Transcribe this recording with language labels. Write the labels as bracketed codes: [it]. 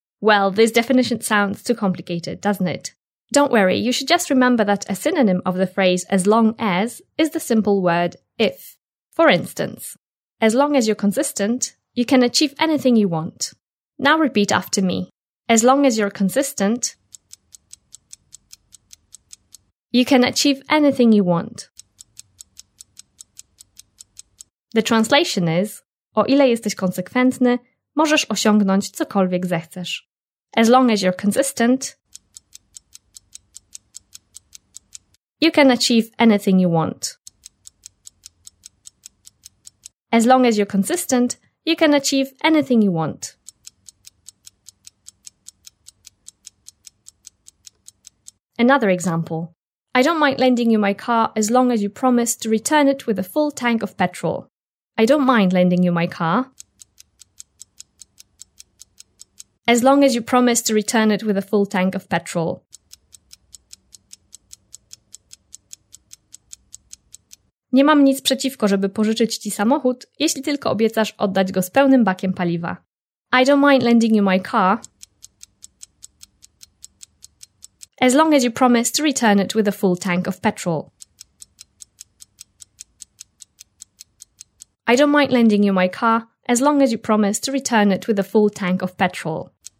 [en] Well, this definition sounds too complicated, doesn't it? Don't worry, you should just remember that a synonym of the phrase as long as is the simple word if. For instance, as long as you're consistent, you can achieve anything you want. Now repeat after me. As long as you're consistent, you can achieve anything you want. The translation is, [pl] o ile jesteś konsekwentny, możesz osiągnąć cokolwiek zechcesz. [en] As long as you're consistent, you can achieve anything you want. As long as you're consistent, you can achieve anything you want. Another example. I don't mind lending you my car as long as you promise to return it with a full tank of petrol. I don't mind lending you my car as long as you promise to return it with a full tank of petrol. [pl] Nie mam nic przeciwko, żeby pożyczyć ci samochód, jeśli tylko obiecasz oddać go z pełnym bakiem paliwa. [en] I don't mind lending you my car as long as you promise to return it with a full tank of petrol. I don't mind lending you my car as long as you promise to return it with a full tank of petrol.